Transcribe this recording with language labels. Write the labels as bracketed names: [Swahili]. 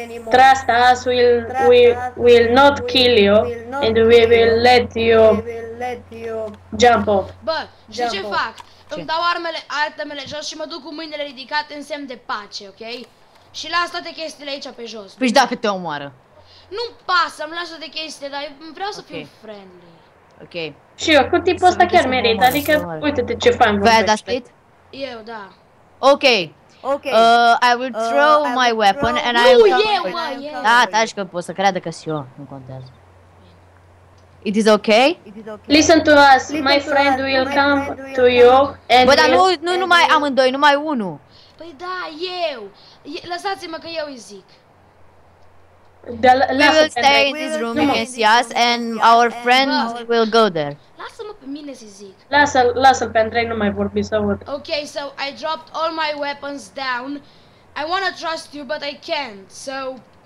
[English] Trust us, we will not kill you, and we will let you jump off. [Romanian] Bă, și ce fac? Îmi dau armele jos și mă duc cu mâinile ridicate în semn de pace, ok? Și las toate chestiile aici pe jos. Păi și dacă te omoară? Nu-mi pasă, îmi lasă de chestii, dar vreau să fiu friendly. Ok. Și eu, cu tipul ăsta chiar merit, adică uite-te ce fain vorbește. Eu, da. Ok. [English] I will throw my weapon and I will... [Romanian] Nu, eu, mă, eu! Da, taci că pot să creadă că-s eu, nu contează. [English] It is ok? Listen to us, my friend will come to you and... [Romanian] Bă, dar nu numai amândoi, numai unul. Păi da, eu! Lăsați-mă că eu îi zic. [English] We will stay in this room against us and our friend will go there. [Romanian] Lasă-mă pe mine să zic. Lasă-l pe Andrei, nu mai vorbi, să văd. [English] Ok, so I dropped all my weapons down. I wanna trust you, but I can't, so...